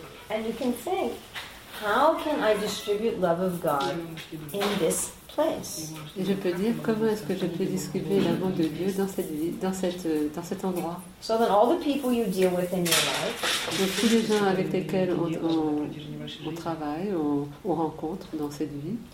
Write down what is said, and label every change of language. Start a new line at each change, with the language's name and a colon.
English: And you can think, how can I distribute love of God in this place?
French: Et je peux dire, comment est-ce que je peux distribuer l'amour de Dieu dans cet endroit?
English: So then all the people you deal with in your life,
French: donc tous les gens avec lesquels on travaille, on rencontre dans cette vie,